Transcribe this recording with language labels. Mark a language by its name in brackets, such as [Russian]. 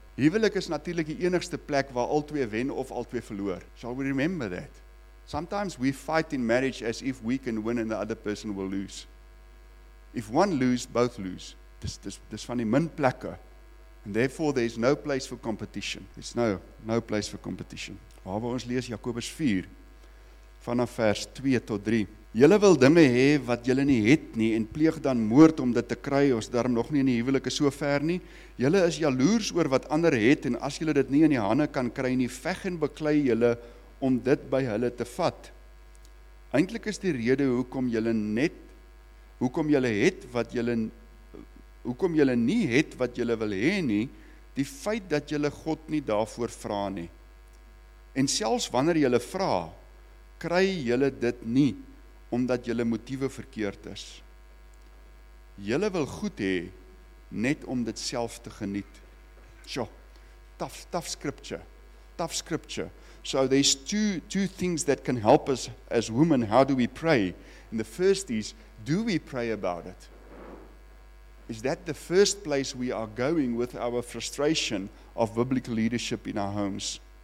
[Afrikaans] Huwelik is natuurlik die enigste plek waar al twee wen of al twee verloor. [English] Shall we remember that? Sometimes we fight in marriage as if we can win and the other person will lose. If one lose, both lose. [Afrikaans] Dis van die min plekke. [English] And therefore there is no place for competition. There's no place for competition. [Afrikaans] Waar we ons lees Jakobus 4 vanaf vers 2 tot 3. Julle wil dinge hê wat julle nie het nie en pleeg dan moord om dit te kry. Ons daarom nog nie in die huwelike so ver nie. Julle is jaloers oor wat ander het en as julle dit nie in die hande kan kry nie, veg en beklei julle om dit by hulle te vat. Eintlik is die rede hoekom julle nie het wat julle wil hê nie, die feit dat julle God nie daarvoor vra nie. En selfs wanneer julle vra, kry julle dit nie, omdat julle motiewe verkeerd is. Julle wil goed hê net om dit self te geniet. [English] Tough scripture. So there's two things that can help us as women. How do we pray? And the first is, do we pray about it? Is that the first place we are going with our frustration of biblical leadership in our homes?